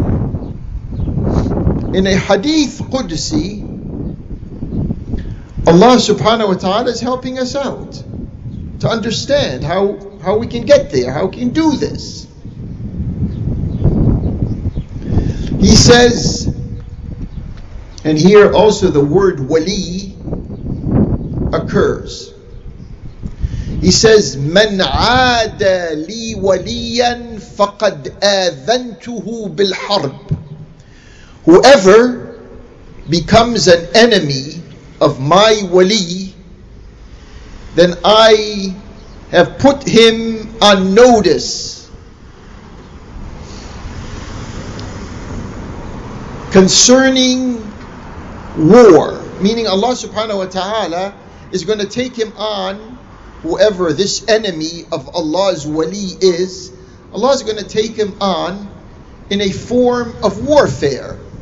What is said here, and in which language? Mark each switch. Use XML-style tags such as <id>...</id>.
<en>In a hadith Qudsi, Allah subhanahu wa ta'ala is helping us out to understand how we can get there, how we can do this. He says, and here also the word wali occurs. He says,</en> <ar>من عاد لي وليا فقد آذنته بالحرب.</ar> <en>Whoever becomes an enemy of my wali, then I have put him on notice concerning war, meaning Allah subhanahu wa ta'ala is going to take him on, whoever this enemy of Allah's wali is, Allah is going to take him on in a form of warfare.</en>